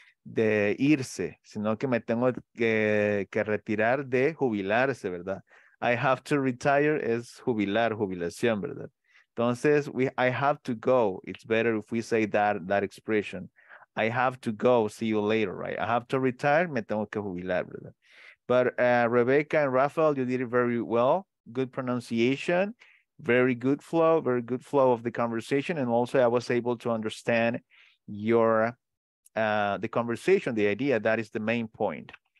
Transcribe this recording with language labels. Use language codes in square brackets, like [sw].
[es] De irse, sino que me tengo que retirar de jubilarse, ¿verdad? [en] I have to retire [es] es jubilar, jubilación, ¿verdad? [en] Entonces, I have to go. It's better if we say that expression. I have to go, see you later, right? I have to retire, [es] me tengo que jubilar, ¿verdad? [en] But Rebecca and Rafael, you did it very well. Good pronunciation, very good flow of the conversation. And also, I was able to understand your the conversation, the idea, that is the main point.